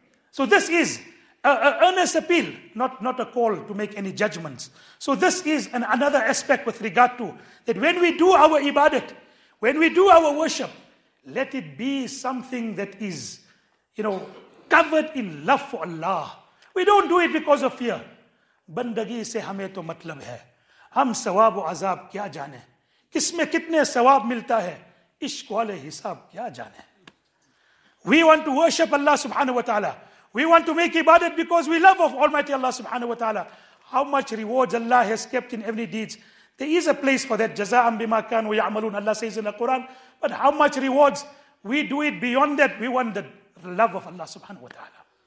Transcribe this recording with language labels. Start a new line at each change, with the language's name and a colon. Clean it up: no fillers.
English: So this is an earnest appeal, not a call to make any judgments. So this is another aspect with regard to that when we do our ibadat, when we do our worship, let it be something that is, you know, covered in love for Allah. We don't do it because of fear.
Urdu: بندگی سے ہمیں تو مطلب ہے. ہم ثواب و عذاب کیا جانے, کس میں کتنے ثواب ملتا ہے, عشق والے حساب کیا جانے.
English: We want to worship Allah subhanahu wa ta'ala. We want to make ibadat because we love of Almighty Allah subhanahu wa ta'ala. How much rewards Allah has kept in every deeds. There is a place for that.
Arabic: جَزَاءً بِمَا كَانُوا يَعْمَلُونَ,
English: Allah says in the Quran. But how much rewards? We do it beyond that. We want the love of Allah subhanahu wa ta'ala.